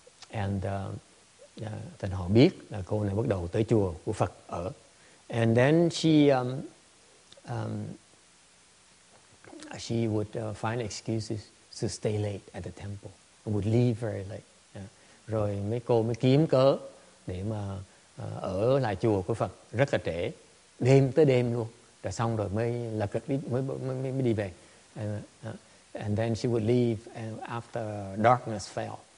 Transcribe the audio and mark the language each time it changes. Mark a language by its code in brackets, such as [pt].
[vi] Then họ biết là cô này bắt đầu tới chùa của Phật ở. [en] And then she would find excuses to stay late at the temple. And would leave very late. Yeah. [vi] Rồi mấy cô mới kiếm cớ để mà ở lại chùa của Phật rất là trễ, đêm tới đêm luôn. Rồi xong rồi mới lật cật đi, mới đi về. [en] And then she would leave after darkness fell.